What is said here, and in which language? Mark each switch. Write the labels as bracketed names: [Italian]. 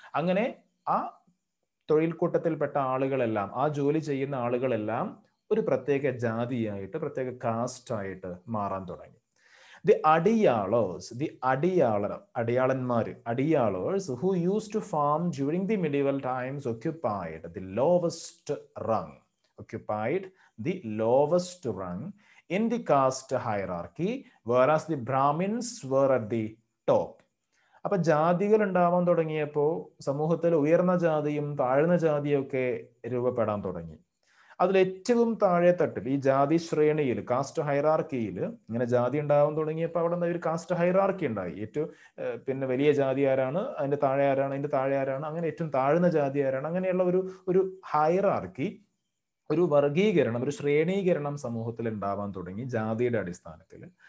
[Malayalam] അങ്ങനെ ആ തൊഴിൽ കൂട്ടത്തിൽപ്പെട്ട ആളുകളെല്ലാം, ആ ജോലി ചെയ്യുന്ന ആളുകളെല്ലാം ഒരു പ്രത്യേക ജാതിയായിട്ട്, പ്രത്യേക കാസ്റ്റായിട്ട് മാറാൻ തുടങ്ങി. [English] The അടിയാളേഴ്സ്, the അടിയാളർ, അടിയാളന്മാർ, അടിയാളേഴ്സ് who use to farm during the medieval times occupied the lowest rung. Occupied the lowest rung in the caste hierarchy, whereas the Brahmins were at the top. [Malayalam] അപ്പൊ ജാതികൾ ഉണ്ടാവാൻ തുടങ്ങിയപ്പോ സമൂഹത്തിൽ ഉയർന്ന ജാതിയും താഴ്ന്ന ജാതിയും ഒക്കെ രൂപപ്പെടാൻ തുടങ്ങി. അതിൽ ഏറ്റവും താഴെ തട്ടിൽ, ഈ ജാതി ശ്രേണിയിൽ, കാസ്റ്റ് ഹൈറാർക്കിയിൽ ഇങ്ങനെ ജാതി ഉണ്ടാവാൻ തുടങ്ങിയപ്പോൾ അവിടെ ഒരു കാസ്റ്റ് ഹൈറാർക്കി ഉണ്ടായി. ഏറ്റവും പിന്നെ വലിയ ജാതി ആരാണ്, അതിന്റെ താഴെ ആരാണ്, അതിന്റെ താഴെ ആരാണ്, അങ്ങനെ ഏറ്റവും താഴ്ന്ന ജാതി ആരാണ്, അങ്ങനെയുള്ള ഒരു ഒരു ഹൈറാർക്കി, ഒരു വർഗീകരണം, ഒരു ശ്രേണീകരണം സമൂഹത്തിൽ ഉണ്ടാവാൻ തുടങ്ങി ജാതിയുടെ അടിസ്ഥാനത്തിൽ.